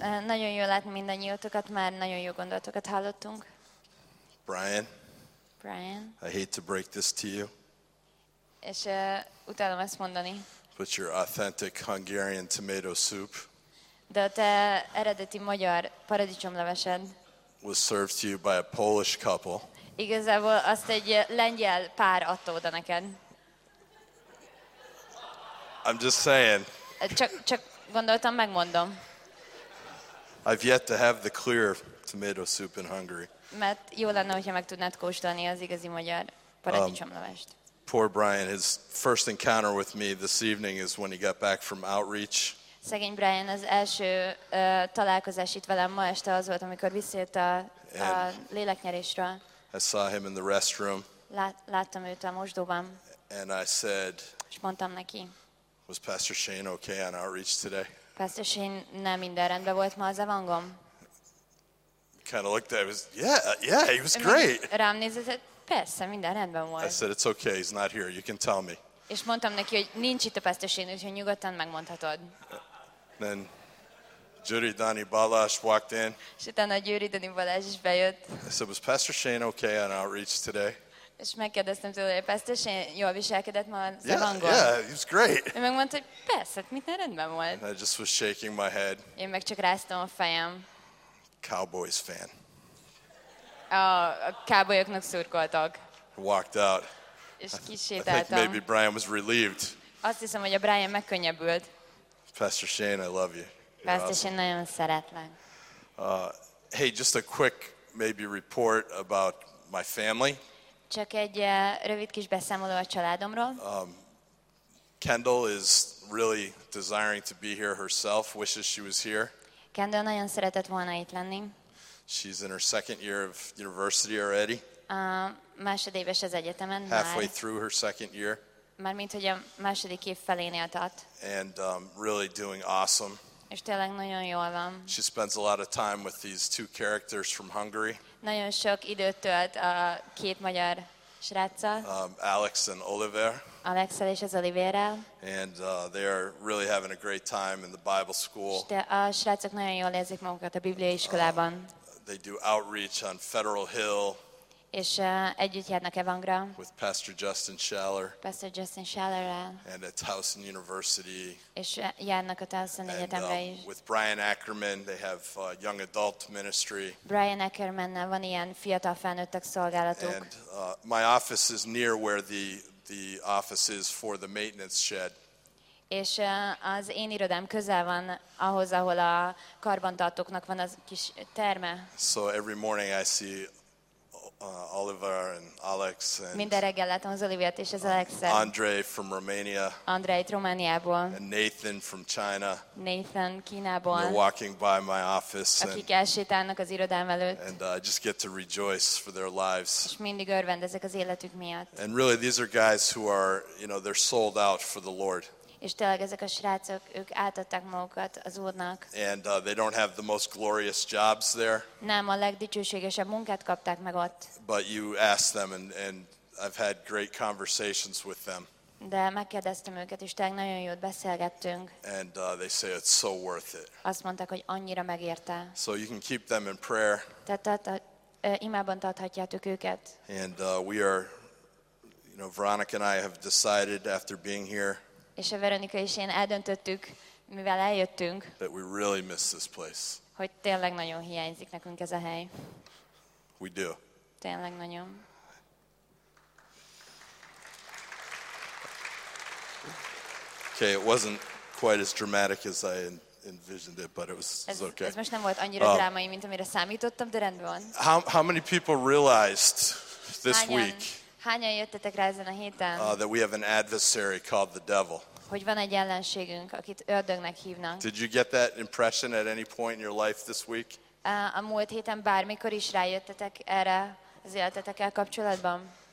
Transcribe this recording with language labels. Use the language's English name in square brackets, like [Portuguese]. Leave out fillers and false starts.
[Hungarian] Nagyon jó látni mindannyiótokat, már nagyon jó gondolatokat hallottunk. [English] Brian. I hate to break this to you. [Hungarian] És utálom ezt mondani. [English] But your authentic Hungarian tomato soup. [Hungarian] De te eredeti magyar paradicsomlevesed. [English] Was served to you by a Polish couple. [Hungarian] Igazából azt egy lengyel pár adta oda neked. [English] I'm just saying. [Hungarian] Csak gondoltam, megmondom. [English] I've yet to have the clear tomato soup in Hungary. [Hungarian] Mert jó lenne, hogyha meg tudnád kóstolni az igazi magyar paradicsomlevest. [English] Poor Brian, his first encounter with me this evening is when he got back from outreach. [Hungarian] Szegény Brian, az első találkozás itt velem ma este az volt, amikor visszajött a léleknyerésről. [English] I saw him in the restroom. [Hungarian] Láttam őt a mosdóban. [English] And I said, [Hungarian] és mondtam neki, [English] was Pastor Shane okay on outreach today? [Hungarian] Pastor Shane, nem minden rendben volt ma az evangom. [English] Kind of looked at him, yeah, he was great. [Hungarian] Rám nézett, persze, minden rendben volt. [English] I said, it's okay, he's not here, you can tell me. [Hungarian] És mondtam neki, hogy nincs itt a Pastor Shane, úgyhogy nyugodtan megmondhatod. [English] Then Gyuri Dani Balázs walked in. [Hungarian] És utána Gyuri Dani Balázs is bejött. [English] I said, was Pastor Shane okay on outreach today? [Hungarian] És megkérdeztem tőle, hogy Pester, és jól viselkedett ma az [English] evangol. Yeah, yeah, it was great. [Hungarian] Ő megmondta, hogy persze, minden rendben volt. [English] And I just was shaking my head. [Hungarian] Én meg csak ráztam a fejem. [English] Cowboys fan. [Hungarian] A cowboyoknak szurkoltak. [English] Walked out. [Hungarian] És kisétáltam. [English] I think maybe Brian was relieved. [Hungarian] Azt hiszem, hogy a Brian megkönnyebbült. [English] Pastor Shane, I love you. You're Pastor awesome. [Hungarian] Shane, nagyon szeretlek. [English] Hey, just a quick maybe report about my family. [Hungarian] Csak egy rövid kis beszámoló a családomról. [English] Kendall is really desiring to be here herself, wishes she was here. [Hungarian] Kendall nagyon szeretett volna itt lenni. [English] She's in her second year of university already. [Hungarian] Másodéves az egyetemen. [English] Halfway [Hungarian] már. [English] Through her second year. [Hungarian] Mármint, hogy a második év felénél tart. [English] And really doing awesome. [Hungarian] És tényleg nagyon jól van. [English] She spends a lot of time with these two characters from Hungary. [Hungarian] Nagyon sok időt tölt a két magyar sráccal. [English] Alex and Oliver. [Hungarian] Alexel és az Oliverrel. [English] And they are really having a great time in the Bible school. [Hungarian] De a srácok nagyon jól érzik magukat a Biblia iskolában. [English] They do outreach on Federal Hill. [Hungarian] És együtt járnak Evangra. [English] With Pastor Justin Schaller. [Hungarian] Pastor Justin Schallerrel. [English] And at Towson University. [Hungarian] És járnak a Towson Egyetemre is. [English] With Brian Ackerman, they have young adult ministry. [Hungarian] Brian Ackermannel van ilyen fiatal felnőttek szolgálatuk. [English] And my office is near where the office is for the maintenance shed. [Hungarian] És az én irodám közel van ahhoz, ahol a karbantartóknak van az kis terme. [English] So every morning I see Oliver and Alex and [Hungarian] minden reggel látom az Oliviert és az Alexet. [English] Andre from Romania. [Hungarian] Andrejt Romániából. [English] And Nathan from China. [Hungarian] Nathan Kínából. [English] They're walking by my office. [Hungarian] Akik elsétálnak az irodám előtt. [English] And I just get to rejoice for their lives. [Hungarian] És mindig örvendezek az életük miatt. [English] And really these are guys who are, you know, they're sold out for the Lord. [Hungarian] És tényleg ezek a srácok, ők átadták magukat az Úrnak. [English] And they don't have the most glorious jobs there. [Hungarian] Nem a legdicsőségesebb munkát kapták meg ott. [English] But you ask them and I've had great conversations with them. [Hungarian] De megkérdeztem őket, és tényleg nagyon jót beszélgettünk. [English] And they say it's so worth it. [Hungarian] Azt mondták, hogy annyira megérte. [English] So you can keep them in prayer. [Hungarian] Tehát imában tarthatjátok őket. [English] And we are, you know, Veronica and I have decided after being here. [Hungarian] És a Veronika és én eldöntöttük, mivel eljöttünk, [English] that we really miss this place. [Hungarian] Hogy tényleg nagyon hiányzik nekünk ez a hely. [English] We do. [Hungarian] Tényleg nagyon. [English] Okay, it wasn't quite as dramatic as I envisioned it, but it was okay. [Hungarian] Ez most nem volt annyira drámai, mint amire számítottam, de rendben van. [English] How many people realized this week? [Hungarian] Hányan jöttetek rá ezen a héten? [English] That we have an adversary called the devil. [Hungarian] Hogy van egy ellenségünk, akit ördögnek hívnak. [English] Did you get that impression at any point in your life this week? [Hungarian] A múlt héten bármikor is rájöttetek erre az életetekkel kapcsolatban?